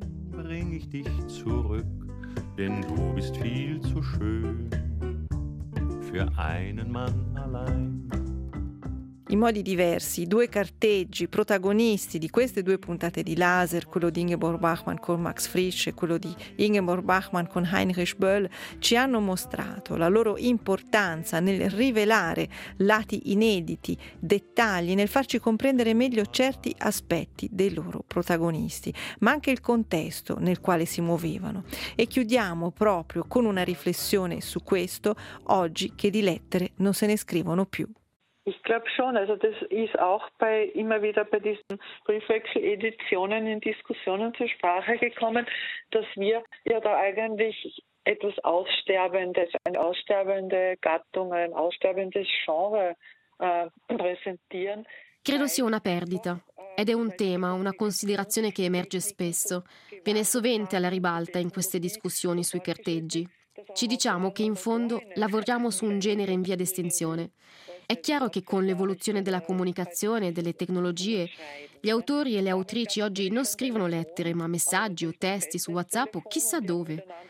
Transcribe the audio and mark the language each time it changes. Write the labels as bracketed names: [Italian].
[German] Bring ich dich zurück, denn du bist viel zu schön. Für einen Mann allein. [Italian] In modi diversi, due carteggi protagonisti di queste due puntate di Laser, quello di Ingeborg Bachmann con Max Frisch e quello di Ingeborg Bachmann con Heinrich Böll, ci hanno mostrato la loro importanza nel rivelare lati inediti, dettagli, nel farci comprendere meglio certi aspetti dei loro protagonisti, ma anche il contesto nel quale si muovevano. E chiudiamo proprio con una riflessione su questo, oggi che di lettere non se ne scrivono più. [German] Ich glaube schon, also das ist auch bei immer wieder bei diesen Briefwechsel-Editionen in Diskussionen zur Sprache gekommen, dass wir ja da eigentlich etwas Aussterbendes, eine aussterbende Gattung, ein aussterbendes Genre präsentieren. [Italian] Credo sia una perdita. Ed è un tema, una considerazione che emerge spesso. Viene sovente alla ribalta in queste discussioni sui carteggi. Ci diciamo che in fondo lavoriamo su un genere in via d'estinzione. È chiaro che con l'evoluzione della comunicazione e delle tecnologie, gli autori e le autrici oggi non scrivono lettere, ma messaggi o testi su WhatsApp o chissà dove.